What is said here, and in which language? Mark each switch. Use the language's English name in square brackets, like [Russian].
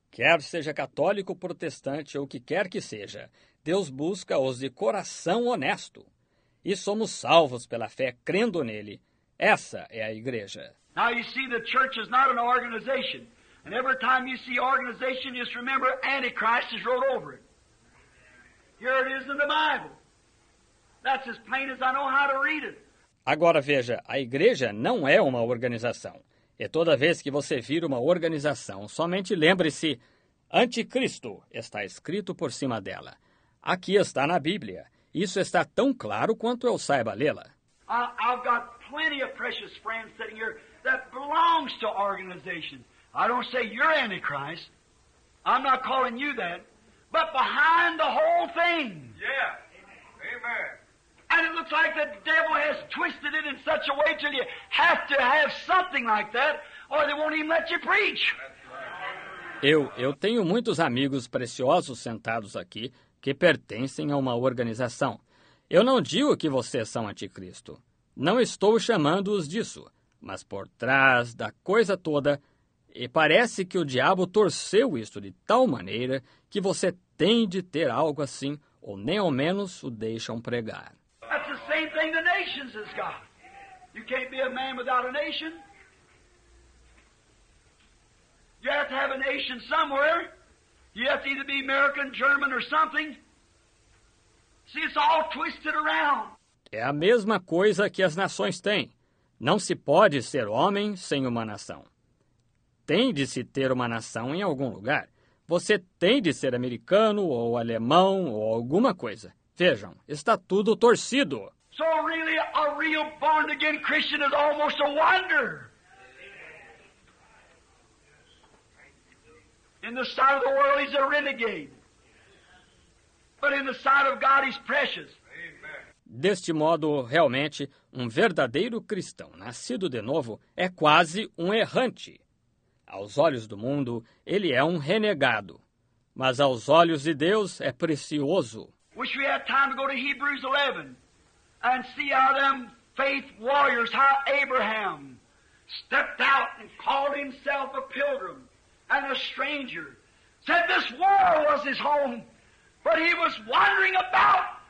[Portuguese] Quer seja católico, protestante ou o que quer que seja, Deus busca os de coração honesto. E somos salvos pela fé, crendo nele. Essa é a Igreja. [English] Now you see, the church is not an organization. And every time you see organization, just remember Antichrist is wrote over it. Here it is in the Bible. That's as plain as I know how to read it. [Portuguese] Agora veja, a Igreja não é uma organização. E toda vez que você vir uma organização, somente lembre-se, Anticristo está escrito por cima dela. Aqui está na Bíblia. Isso está tão claro quanto eu saiba lê-la. [English] I've got plenty of precious friends sitting here that belongs to organizations. I don't say you're Antichrist. I'm not calling you that. But behind the whole thing. Yeah. Amen. And it looks like the devil has twisted it in such a way till you have to have something like that or they won't even let you preach. [Portuguese] Eu tenho muitos amigos preciosos sentados aqui que pertencem a uma organização. Eu não digo que vocês são anticristo. Não estou chamando-os disso. Mas por trás da coisa toda, e parece que o diabo torceu isto de tal maneira que você tem de ter algo assim, ou nem ao menos o deixam pregar. [English] That's the same thing the nations has got. You can't be a man without a nation. You have to have a nation somewhere. You have to either be American, German, or something. See, it's all twisted around. [Portuguese] É a mesma coisa que as nações têm. Não se pode ser homem sem uma nação. Tem de se ter uma nação em algum lugar. Você tem de ser americano ou alemão ou alguma coisa. Vejam, está tudo torcido. [English] So really, a real born-again Christian is almost a wonder. In the sight of the world, he's a renegade. But in the sight of God, he's precious. [Portuguese] Deste modo, realmente, um verdadeiro cristão nascido de novo é quase um errante. Aos olhos do mundo, ele é um renegado. Mas aos olhos de Deus, é precioso. [English] Wish we had time to go to Hebrews 11 and see how them faith warriors, how Abraham stepped out and called himself a pilgrim and a stranger. Said this world was his home, but he was wandering about.